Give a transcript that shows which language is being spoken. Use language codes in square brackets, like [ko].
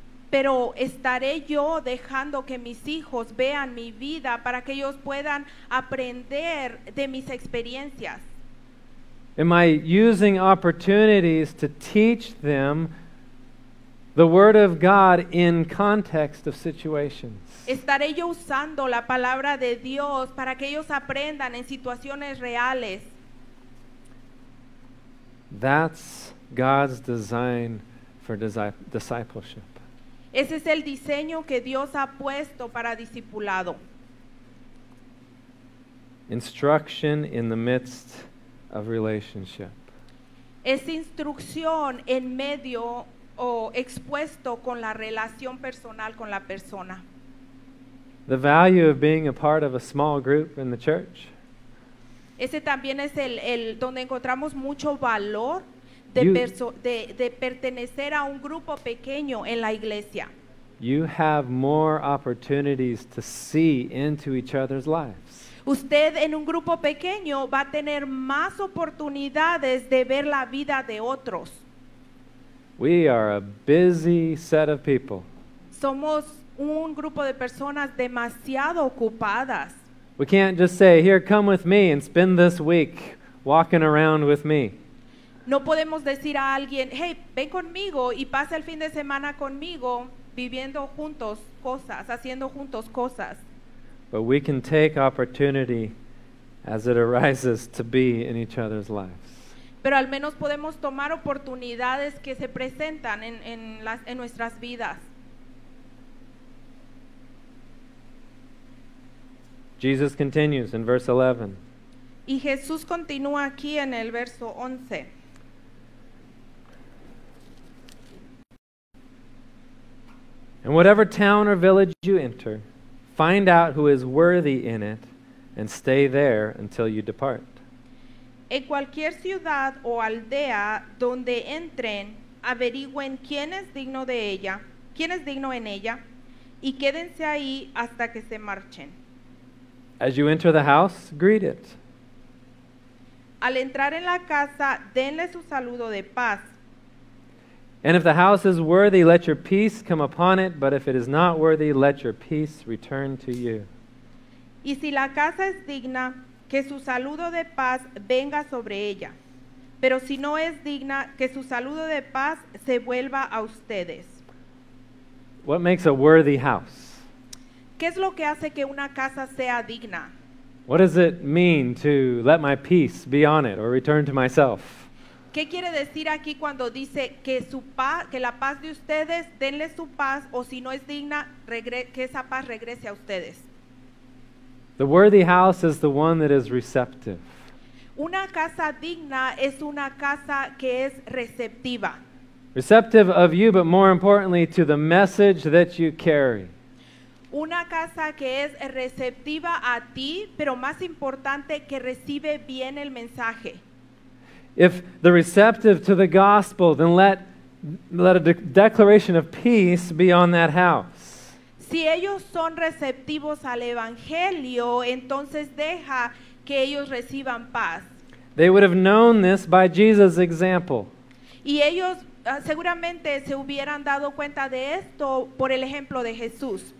[es] Pero estaré yo dejando que mis hijos vean mi vida para que ellos puedan aprender de mis experiencias. [en] Am I using opportunities to teach them the Word of God in context of situations? [es] ¿Estaré yo usando la palabra de Dios para que ellos aprendan en situaciones reales? [en] That's God's design for discipleship. [es] Ese es el diseño que Dios ha puesto para discipulado. [en] Instruction in the midst of relationship. [es] Es instrucción en medio o expuesto con la relación personal con la persona. [en] The value of being a part of a small group in the church. [es] Ese también es el donde encontramos mucho valor de pertenecer a un grupo pequeño en la iglesia. [en] You have more opportunities to see into each other's lives. [es] Usted en un grupo pequeño va a tener más oportunidades de ver la vida de otros. [en] We are a busy set of people. [es] Somos un grupo de personas demasiado ocupadas. [en] We can't just say, here, come with me and spend this week walking around with me. [es] No podemos decir a alguien, hey, ven conmigo y pasa el fin de semana conmigo viviendo juntos cosas, haciendo juntos cosas. [en] But we can take opportunity as it arises to be in each other's lives. [es] Pero al menos podemos tomar oportunidades que se presentan en nuestras vidas. [en] Jesus continues in verse 11. [es] Y Jesús continúa aquí en el verso 11. [en] In whatever town or village you enter, find out who is worthy in it and stay there until you depart. [es] En cualquier ciudad o aldea donde entren, averigüen quién es digno en ella, y quédense ahí hasta que se marchen. [en] As you enter the house, greet it. [es] Al entrar en la casa, denle su saludo de paz. [en] And if the house is worthy, let your peace come upon it. But if it is not worthy, let your peace return to you. [es] Y si la casa es digna, que su saludo de paz venga sobre ella. Pero si no es digna, que su saludo de paz se vuelva a ustedes. [en] What makes a worthy house? [es] ¿Qué es lo que hace que una casa sea digna? [en] What does it mean to let my peace be on it or return to myself? [es] ¿Qué quiere decir aquí cuando dice que su paz, que la paz de ustedes, denle su paz, o si no es digna, que esa paz regrese a ustedes? [en] The worthy house is the one that is receptive. [es] Una casa digna es una casa que es receptiva. [en] Receptive of you, but more importantly, to the message that you carry. [es] Una casa que es receptiva a ti, pero más importante, que recibe bien el mensaje. [en] If the receptive to the gospel, then let a declaration of peace be on that house. [es] Si ellos son receptivos al evangelio, entonces deja que ellos reciban paz. [en] They would have known this by Jesus' example. [es] Y ellos seguramente se hubieran dado cuenta de esto por el ejemplo de Jesús.